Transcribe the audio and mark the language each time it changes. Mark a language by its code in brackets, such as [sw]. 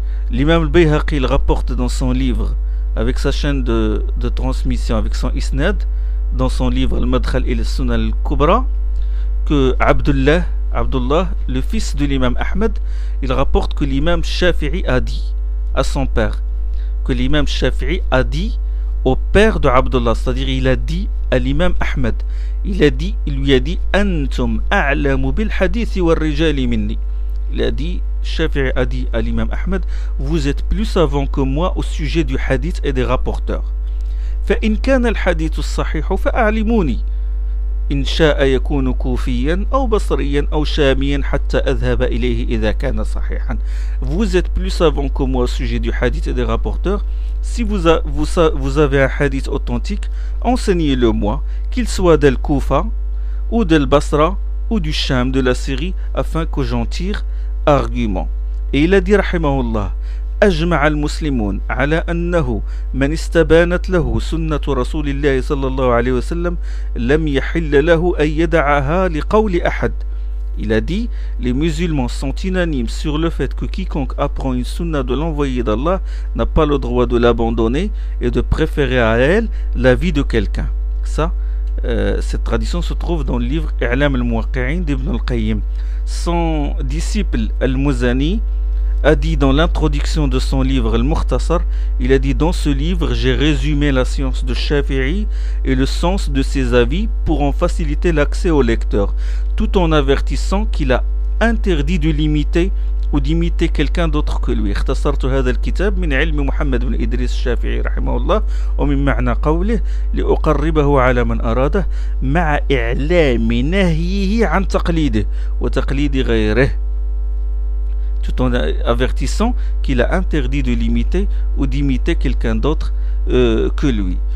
[fr] L'imam al-Bayhaqi il rapporte dans son livre, avec sa chaîne de transmission, avec son isnad, dans son livre Al-Madkhal il Sunan al-Kubra, que Abdullah, le fils de l'imam Ahmed, il rapporte que l'imam Shafi'i a dit à son père, que l'imam Shafi'i a dit au père de Abdullah, c'est-à-dire il a dit à l'imam Ahmed, il lui a dit, [ar] Antum a'lamu bil hadithi wal rijali minni. [fr] Il a dit, Shafi'i a dit à l'imam Ahmed, vous êtes plus savant que moi au sujet du hadith et des rapporteurs. [ar] فإن كان الحديث الصحيح فأعلموني إن شاء يكون كوفيا أو بصريا أو شاميا حتى أذهب إليه إذا كان صحيحا. [fr] Vous êtes plus savant que moi au sujet du hadith et des rapporteurs. Si vous avez un hadith authentique, enseignez-le moi, qu'il soit del Koufa ou del Basra ou du Sham de la Syrie, afin que j'en tire argument. Et il a dit, [ar] rahimahullah, أجمع المسلمون على أنه من استبانت له سنة رسول الله صلى الله عليه وسلم لم يحل له أن يدعها لقول أحد. [fr] Il a dit, les musulmans sont unanimes sur le fait que quiconque apprend une sunna de l'envoyé d'Allah n'a pas le droit de l'abandonner et de préférer à elle la vie de quelqu'un. Ça, cette tradition se trouve dans le livre إعلام المواقعين d'Ibn al-Qayyim. Son disciple al-Muzani a dit dans l'introduction de son livre Al-Mukhtasar, il a dit, dans ce livre j'ai résumé la science de Shafi'i et le sens de ses avis pour en faciliter l'accès au lecteur, tout en avertissant qu'il a interdit de l'imiter ou d'imiter quelqu'un d'autre que lui. [ar] اختصرت هذا الكتاب من علم محمد بن إدريس الشافعي رحمه الله ومن معنى قوله لأقربه على من أراده مع إعلام نهيه عن تقليده وتقليد غيره, [fr] tout en avertissant qu'il a interdit de l'imiter ou d'imiter quelqu'un d'autre que lui.